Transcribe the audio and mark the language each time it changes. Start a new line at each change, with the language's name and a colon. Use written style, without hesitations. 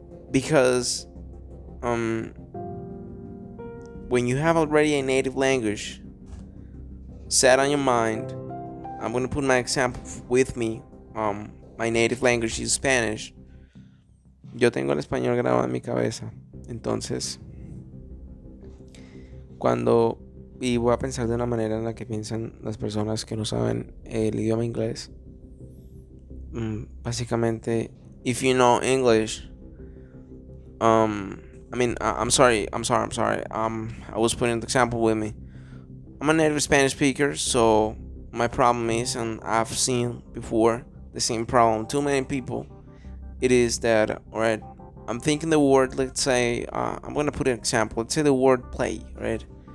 English: Because when you have already a native language set on your mind, I'm going to put my example with me. My native language is Spanish.
Spanish: Yo tengo el español grabado en mi cabeza. Entonces, cuando, y voy a pensar de una manera en la que piensan las personas que no saben el idioma inglés.
English: Básicamente, if you know English, I was putting the example with me. I'm a native Spanish speaker, so my problem is, and I've seen before the same problem too many people, it is that, alright, I'm thinking the word, let's say, I'm gonna put an example, let's say the word play, right?